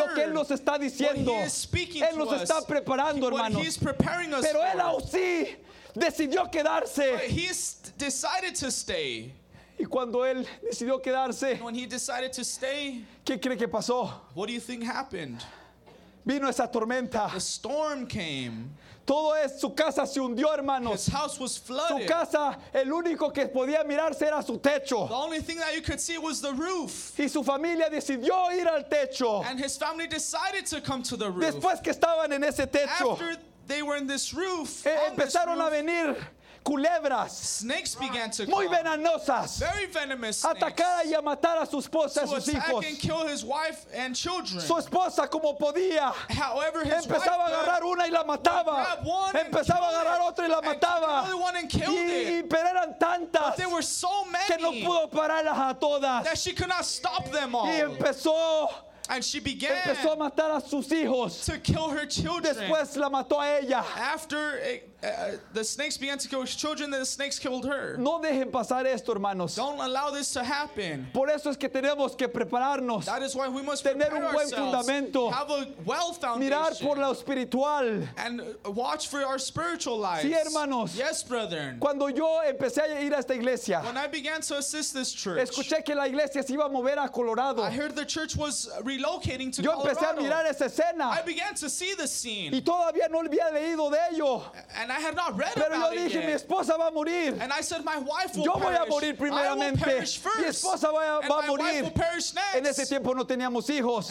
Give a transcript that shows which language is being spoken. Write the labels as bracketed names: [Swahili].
[Spanish] Lo que Él nos está diciendo. [English] What he is speaking [Spanish] Él [English] to [Spanish] nos [English] us. [Spanish] Está preparando, hermanos. [English] What he is preparing us [Spanish] pero [English] for. [Spanish] Él aún sí. Decidió quedarse. [English] But he decided to stay. [Spanish] Y cuando él decidió quedarse, [English] and when he decided to stay, [Spanish] ¿qué cree que pasó? [English] What do you think happened? [Spanish] Vino esa tormenta. [English] The storm came. [Spanish] Todo es, su casa se hundió, hermanos. [English] His house was flooded. [Spanish] Su casa, el único que podía mirarse era su techo. [English] The only thing that you could see was the roof. [Spanish] Y su familia decidió ir al techo. [English] And his family decided to come to the roof. [Spanish] Después que estaban en ese techo. [English] After they were in this roof. [Spanish] Empezaron [English] this roof. [Spanish] A venir culebras. [English] Snakes began to come. [Spanish] Muy venenosas. [English] Very venomous snakes. [Spanish] Atacar y a matar a su esposa y sus hijos. [English] And kill his wife and children. [Spanish] Su esposa como podía. [English] However, his [Spanish] empezaba [English] wife [Spanish] a agarrar una y la mataba. Empezaba a agarrar [English] it. [Spanish] Otra y la [English] and [Spanish] mataba. [English] One and killed [Spanish] y pero eran tantas. [English] But there were so many [Spanish] que no pudo pararlas a todas. [English] That she could not stop them all. [Spanish] Y empezó. [English] And she began [Spanish] empezó a matar a sus hijos. [English] To kill her children. [Spanish] Después la mató a ella. [English] After it, The snakes began to kill his children, then the snakes killed her. [Spanish] No dejen pasar esto, hermanos. [English] Don't allow this to happen. [Spanish] Por eso es que tenemos que prepararnos. [English] That is why we must [Spanish] tener [English] prepare [Spanish] un buen [English] ourselves. [Spanish] Fundamento. [English] Have a well foundation. [Spanish] Mirar por lo espiritual. [English] And watch for our spiritual lives. [Spanish] Sí, hermanos. [English] Yes, brethren. [Spanish] Cuando yo empecé a ir a esta iglesia, [English] when I began to assist this church, [Spanish] escuché que la iglesia se iba a mover a Colorado. [English] I heard the church was relocating to Colorado. [Spanish] Yo empecé a mirar esa escena. [English] I began to see the scene. [Spanish] Y todavía no había leído de ello. [English] And I had not read [Spanish] Pero [English] about [Spanish] dije, [English] it yet. [Spanish] Mi esposa va a morir. [English] And I said, my wife will [Spanish] yo voy [English] perish. [Spanish] A morir primeramente. [English] I will perish first. [Spanish] Mi esposa va, [English] and [Spanish] va [English] my [Spanish] a morir. [English] Wife will perish next. [Spanish] En ese tiempo no teníamos hijos.